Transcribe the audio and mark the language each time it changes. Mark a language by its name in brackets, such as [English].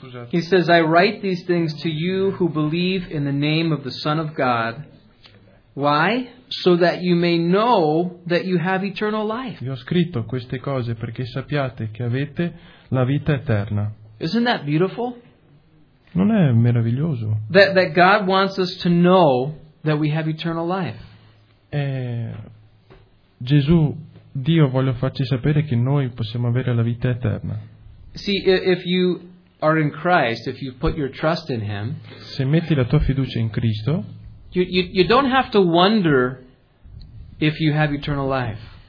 [English] He says, I write these things to you who believe in the name of the Son of God. Why? So that you may know that you have eternal life. [Italian] Vi ho scritto queste cose perché sappiate che avete la vita eterna. [English] Isn't that beautiful? [Italian] Non è meraviglioso? [English] That God wants us to know that we have eternal life. [Italian] Gesù, Dio voglio farci sapere che noi possiamo avere la vita eterna. [English] See, if you are in Christ, if you put your trust in Him, [Italian] se metti la tua fiducia in Cristo, [English] you don't have to wonder if you have eternal life.